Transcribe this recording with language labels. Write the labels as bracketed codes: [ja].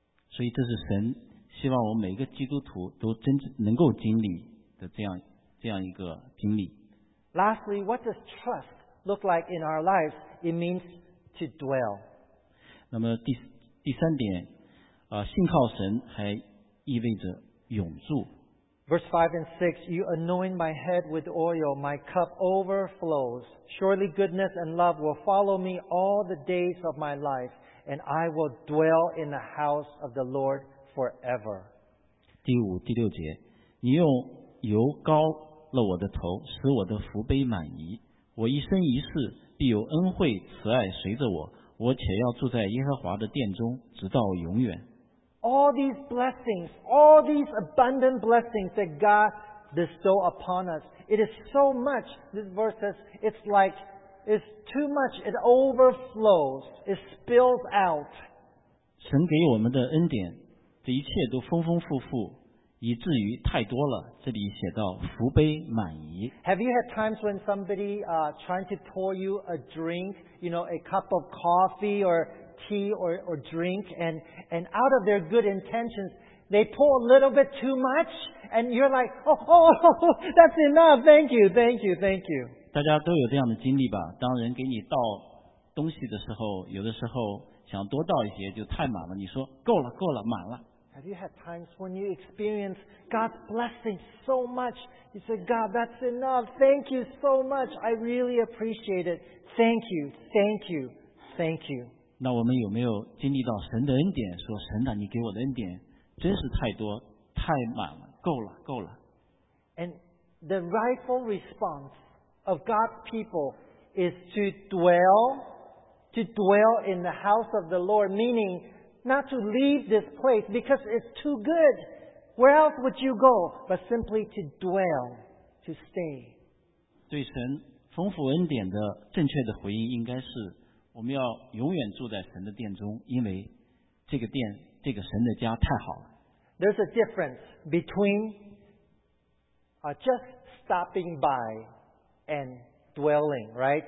[zh] 所以这是神希望我们每个基督徒都真能够经历的这样一个经历。 [en] Lastly, what does trust look like in our lives? It means to dwell. [zh] 那么第三点，信靠神还意味着永住。 [en] Verse 5 and 6, You anoint my head with oil, my cup overflows. Surely goodness and love will follow me all the days of my life, and I will dwell in the house of the Lord forever. [zh] 第六节，你用油膏了我的头，使我的福杯满溢。我一生一世必有恩惠慈爱随着我，我且要住在耶和华的殿中，直到永远。 [en] All these blessings, all these abundant blessings that God bestow upon us, it is so much, this verse says, it's like, it's too much, it overflows, it spills out. [zh] 神给我们的恩典，这一切都丰丰富富，以至于太多了，这里写到福杯满溢。 [en] Have you had times when somebody trying to pour you a drink, you know, a cup of coffee or tea or drink, and out of their good intentions, they pour a little bit too much, and you're like, oh, that's enough, thank you. [zh] 大家都有这样的经历吧？当人给你倒东西的时候，有的时候想多倒一些就太满了，你说够了，满了。 [en] Have you had times when you experience God's blessing so much? You say, God, that's enough, thank you so much, I really appreciate it, thank you. [zh] 那我们有没有经历到神的恩典？说神的，你给我的恩典真是太多，太满了，够了。 [en] And the rightful response of God's people is to dwell in the house of the Lord, meaning not to leave this place because it's too good, Where else would you go but simply to dwell, to stay? [zh] 对神丰富恩典的正确的回应应该是我们要永远住在神的殿中，因为这个殿，这个神的家太好了。 [en] There's a difference between just stopping by and dwelling, right?